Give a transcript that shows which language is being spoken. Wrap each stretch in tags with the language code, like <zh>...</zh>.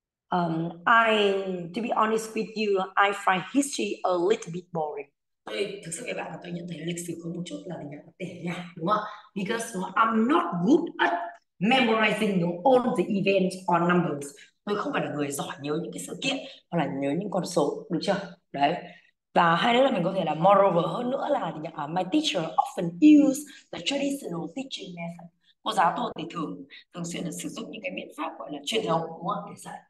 <en>To be honest with you, I find history a little bit boring.</en> <vi>Thực sự các bạn là tôi nhận thấy lịch sử có một chút là mình tẻ nhạt đúng không?</vi> <en>Because I'm not good at memorizing all the events or numbers.</en> <vi>Tôi không phải là người giỏi nhớ những cái sự kiện hoặc là nhớ những con số, được chưa? Đấy. Và hai nữa là mình có thể là moreover hơn nữa là</vi> <en>my teacher often use the traditional teaching method.</en> <vi>Cô giáo tôi thì thường thường xuyên là sử dụng những cái biện pháp gọi là truyền thống đúng không? Để dạy.</vi>